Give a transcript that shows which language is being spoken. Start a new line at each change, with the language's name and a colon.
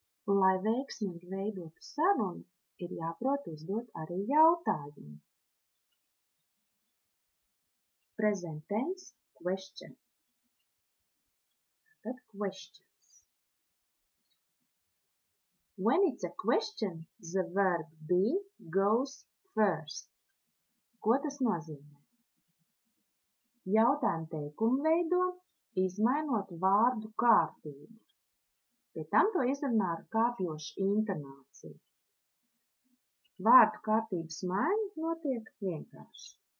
Latvian: Lai veiksmīgi veidotu sarunu, ir jāprot uzdot arī jautājumu.
English: Present tense, question. Tātad questions. When it's a question, the verb be goes first.
Latvian: Ko tas nozīmē? Jautājumu teikumu veido, izmainot vārdu kārtību. Pie tam to izrunā ar kāpjošu intonāciju. Vārdu kārtības maiņa notiek vienkārši.